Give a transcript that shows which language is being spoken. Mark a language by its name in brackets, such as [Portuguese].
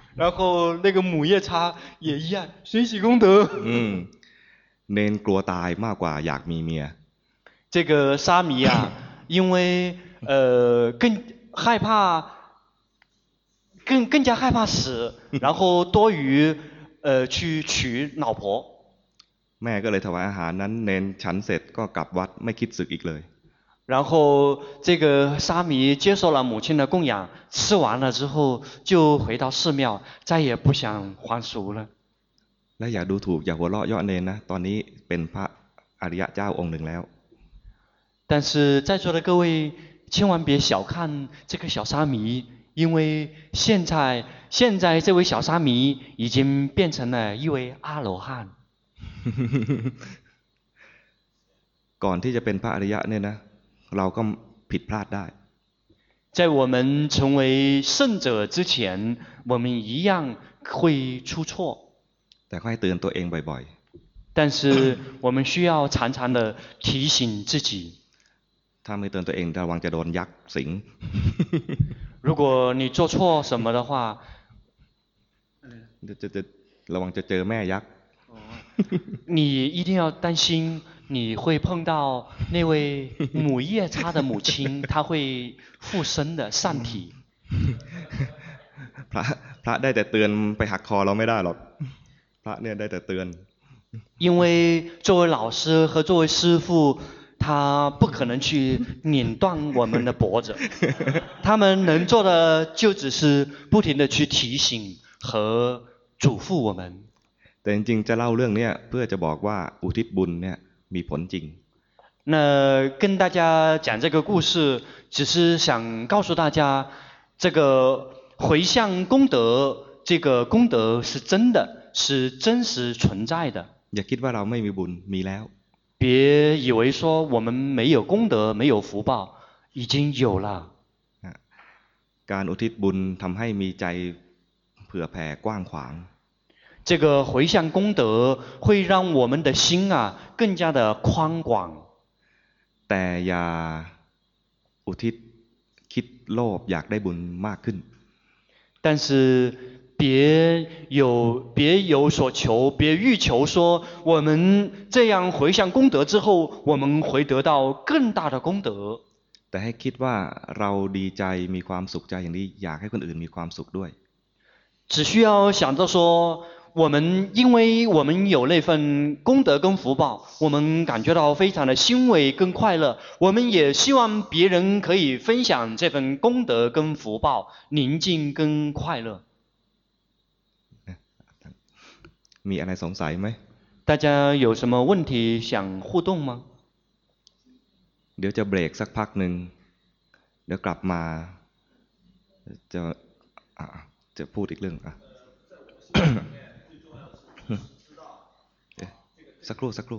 [Chinese] 然后那个母夜叉也一样随喜功德 [Thai] เนนกลัวตายมากกว่าอยากมีเมีย [Chinese] 这个沙弥啊因为更害怕更加害怕死然后多于去娶老婆 [Thai] แม่ก็เลยถวายอาหารนั้นเนนฉันเสร็จก็กลับวัดไม่คิดสึกอีกเลย [Chinese] 然后这个沙弥接受了母亲的供养，吃完了之后就回到寺庙，再也不想还俗了。 [Thai] และอย่าดูถูกอย่าหัวเราะเยาะเนนะตอนนี้เป็นพระอริยะเจ้าองค์หนึ่งแล้ว [Chinese] 但是在座的各位千万别小看这个小沙弥，因为现在这位小沙弥已经变成了一位阿罗汉。 [Thai] ก่อนที่จะเป็นพระอริยะเนี่ยนะเราก็ผิดพลาดได้ [Chinese] 在我们成为圣者之前我们一样会出错 [Thai] แต่ก็ให้เตือนตัวเองบ่อย [Chinese] ๆ但是我们需要常常的提醒自己 [Thai] ถ้าไม่เตือนตัวเองระวังจะโดนยักษ์สิง [Chinese] 如果你做错什么的话 [Thai] จะระวังจะเจอแม่ยักษ์ [Chinese] 你一定要担心你会碰到那位母夜叉的母亲，她会附身的上体。 [Thai] พระได้แต่เตือนไปหักคอเราไม่ได้หรอกพระเนี่ยได้แต่เตือน [Chinese] 因为作为老师和作为师父，他不可能去拧断我们的脖子，他们能做的就只是不停的去提醒和嘱咐我们。 [Thai] แต่จริงจะเล่าเรื่องเนี้ยเพื่อจะบอกว่าอุทิศบุญเนี่ยมีผลจริง [Chinese] 那跟大家讲这个故事只是想告诉大家这个回向功德这个功德是真的是真实存在的 [Thai] อย่าคิดว่าเราไม่มีบุญมีแล้ว [Chinese] 别以为说我们没有功德没有福报已经有了 [Thai] การอุทิศบุญทำให้มีใจเผื่อแผ่กว้างขวาง [Chinese] 这个回向功德会让我们的心啊更加的宽广。 [Thai] แต่อย่าอุทิศคิดโลภอยากได้บุญมากขึ้น。 [Chinese] 但是别有所求，别欲求说我们这样回向功德之后，我们会得到更大的功德。 [Thai] แต่ให้คิดว่าเราดีใจมีความสุขใจอย่างนี้อยากให้คนอื่นมีความสุขด้วย。 [Chinese] 只需要想着说。我们因为我们有那份功德跟福报，我们感觉到非常的欣慰跟快乐。我们也希望别人可以分享这份功德跟福报，宁静跟快乐。 [Thai] มีอะไรสงสัยไหม？ [Chinese] 大家有什么问题想互动吗？ [Thai] เดี๋ยวจะเบรกสักพักหนึ่ง เดี๋ยวกลับมาจะพูดอีกเรื่องอ่ะ สักครู่สักครู